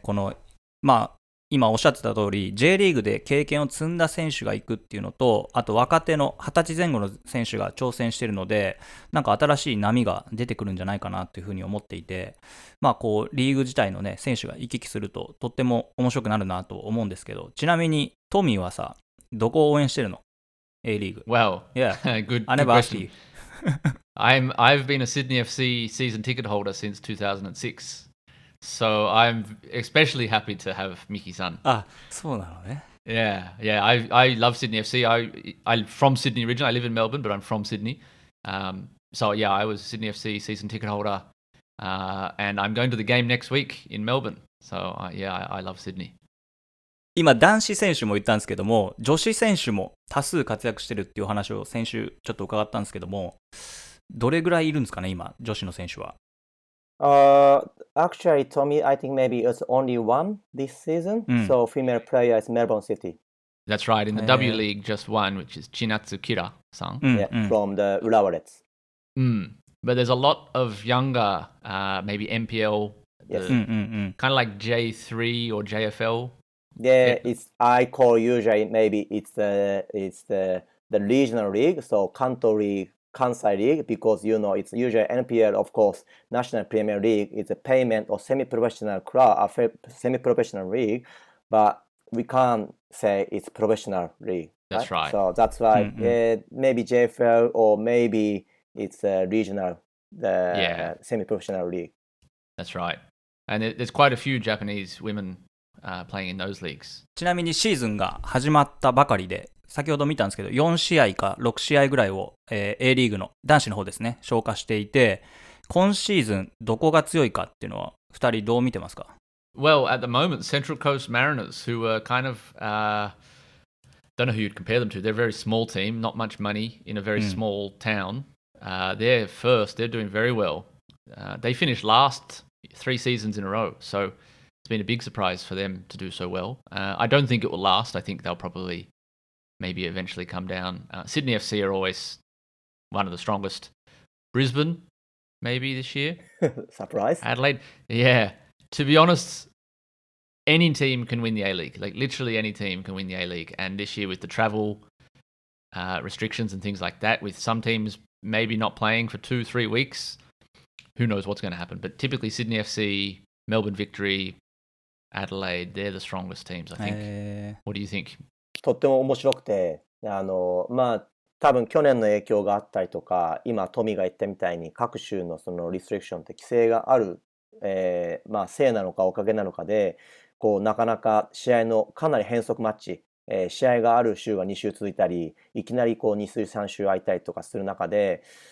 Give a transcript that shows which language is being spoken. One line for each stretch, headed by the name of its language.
Japanese: この、まあ、今おっしゃってた通り、J リーグで経験を積んだ選手が行くっていうのと、あと若手の20歳前後の選手が挑戦しているので、なんか新しい波が出てくるんじゃないかなというふうに思っていて、まあこう、リーグ自体のね、選手が行き来すると、とっても面白くなるなと思うんですけど、ちなみに、トミーはさ、どこを応援してるの ?A リーグ。
English: Well, yeah, good question. I never asked you. I've been a Sydney FC season ticket holder since 2006. So I'm especially happy to have Miki-san.
Japanese: Ah, so なのね。
English: Yeah, yeah. I love Sydney FC. I'm from Sydney originally. I live in Melbourne, but I'm from Sydney. So yeah, I was a Sydney FC season ticket holder. And I'm going to the game next week in Melbourne. So yeah, I love Sydney.
Japanese: 今男子選手も言ったんですけども、女子選手も多数活躍してるっていう話を先週ちょっと伺ったんですけども、どれぐらいいるんですかね、今女子の選手は。
English: Actually, Tommy, I think maybe it's only one this season. So female player is Melbourne City. That's right. In the W League, just one, which is Chinatsu Kira-san. From the Urawa Reds. But there's a lot of younger, maybe MPL, kind of like J3 or JFL. Yeah, I call usually maybe it's the regional league, so Kanto League. Kansai League, because you know it's usually NPL, of course, National Premier League is a payment or semi-professional club, a semi-professional league, but we can't say it's professional league. That's right. So that's why maybe JFL or maybe it's a regional, semi-professional league. That's right. And there's quite a few Japanese women playing in those leagues.
Japanese: ちなみにシーズンが始まったばかりで先ほど見たんですけど、4試合か6試合ぐらいを、A リーグの男子の方ですね、消化していて、今シーズンどこが強いかっていうのは2人どう見てますか?
English: Well, at the moment, Central Coast Mariners, who were kind of, don't know who you'd compare them to, they're a very small team, not much money in a very small town. They're first, they're doing very well. They finished last 3 seasons in a row, so it's been a big surprise for them to do so well. I don't think it will last, I think they'll probablymaybe eventually come down. Sydney FC are always one of the strongest. Brisbane, maybe this year. Surprise. Adelaide. Yeah. To be honest, any team can win the A-League. Like, literally any team can win the A-League. And this year, with the travel restrictions and things like that, with some teams maybe not playing for 2-3 weeks, who knows what's going to happen. But typically, Sydney FC, Melbourne Victory, Adelaide, they're the strongest teams, I think. What do you think?
Japanese: とっても面白くて、まあ、多分去年の影響があったりとか、今トミーが言ったみたいに各州のそのリストリクションって規制がある、まあ、せいなのかおかげなのかで、こうなかなか試合のかなり変則マッチ、試合がある州が2週続いたり、いきなりこう2週3週空いたりとかする中で、